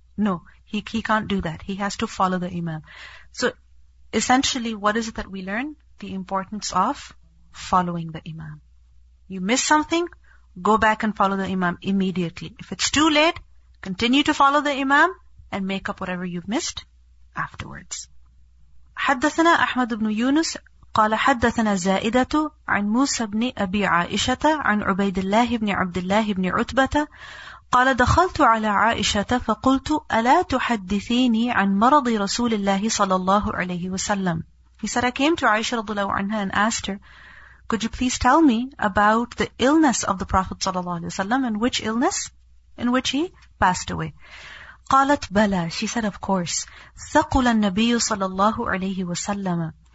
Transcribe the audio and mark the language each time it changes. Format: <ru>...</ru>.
<en>No, he can't do that. He has to follow the imam. So essentially, what is it that we learn? The importance of following the imam. You miss something, go back and follow the imam immediately. If it's too late, continue to follow the imam and make up whatever you've missed afterwards.</en> <ar>حدثنا أحمد بن يونس قال حدثنا زائدة عن موسى بن أبي عائشة عن عبيد الله بن عبد الله بن عتبة قال دخلت على عائشة فقلت ألا تحدثيني عن مرض رسول الله صلى الله عليه وسلم.</ar> <en>He said, I came to Aisha</en> <ar>رضي الله عنها</ar> <en>and asked her, could you please tell me about the illness of the Prophet</en> <ar>صلى الله عليه وسلم,</ar> <en>and which illness in which he passed away.</en> <ar>قالت بلى.</ar> <en>She said, of course.</en> <ar>ثقل النبي صلى الله عليه وسلم.</ar>